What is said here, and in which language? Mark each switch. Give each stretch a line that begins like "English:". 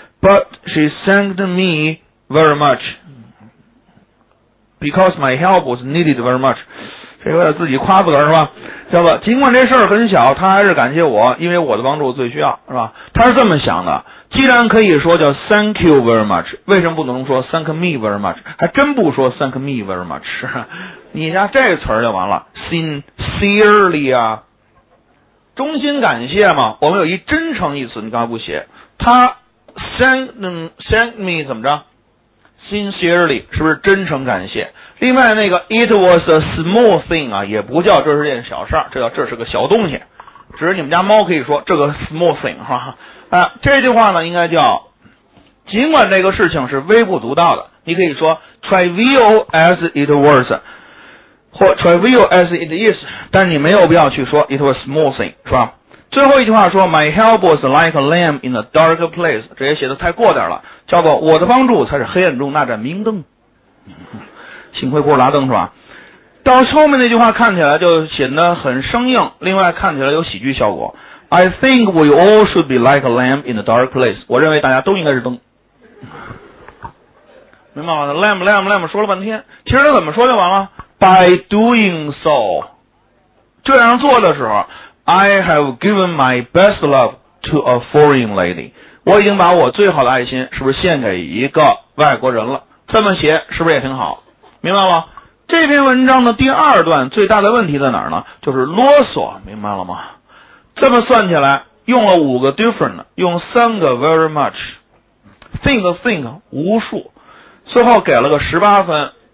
English: But she thanked me very much because my help was needed very much.
Chinese: 这有点自己夸自个儿是吧？叫做尽管这事儿很小，他还是感谢我，因为我的帮助最需要，是吧？他是这么想的。既然可以说叫
English: thank you very much，
Chinese: 为什么不能说
English: thank me very much？
Chinese: 还真不说
English: thank me very much，
Chinese: 你像这词儿就完了 ，sincerely 啊，衷心感谢嘛。我们有一真诚一词，你刚才不写他。
English: Thank me
Chinese: 怎么着 ？Sincerely 是不是真诚感谢？另外那个
English: It was a small thing
Chinese: 啊，也不叫这是件小事儿，这叫这是个小东西。只是你们家猫可以说这个
English: small thing
Chinese: 哈、啊。啊，这句话呢应该叫，尽管这个事情是微不足道的，你可以说
English: trivial as it was，
Chinese: 或
English: trivial as it is，
Chinese: 但你没有必要去说
English: it was a small thing，
Chinese: 是吧？最后一句话说
English: My help was like a lamp in a dark place，
Chinese: 这也写的太过点了，叫做我的帮助才是黑暗中那盏明灯。幸亏不是拉灯，是吧？到后面那句话看起来就显得很生硬，另外看起来有喜剧效果。
English: I think we all should be like a lamp in a dark place，
Chinese: 我认为大家都应该是灯。明白吗？ Lamp lamp lamp 说了半天，其实他怎么说就完了。
English: By doing so，
Chinese: 这样做的时候，
English: I have given my best love to a foreign lady.
Chinese: 我已经把我最好的爱心是不是献给一个外国人了？这么写是不是也挺好？明白吗？这篇文章的第二段最大的问题在哪儿呢？就是啰嗦，明白了吗？这么算起来，用了五个 different， 用三个 very much， think 无数，最后给了个18分。